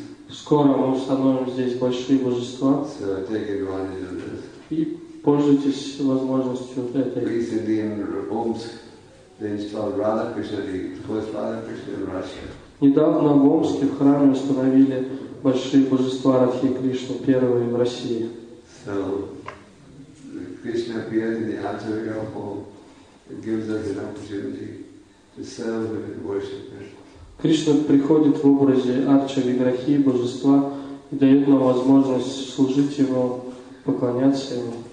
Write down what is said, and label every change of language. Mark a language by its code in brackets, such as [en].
[ru] Скоро мы установим здесь большие божества. [en] So take advantage of this. [ru] И пользуйтесь возможностью вот этой. [en] Recently in Omsk, they installed Radha Krishna, the first Radha Krishna in Russia. [ru] Недавно в Омске в храме установили большие божества Радхи Кришны, первые в России. [en] So Krishna appears in the Acharya form. It gives us an opportunity to serve and worship Krishna. [ru] Кришна приходит в образе Арча Виграхи, божества, и дает нам возможность служить Ему, поклоняться Ему.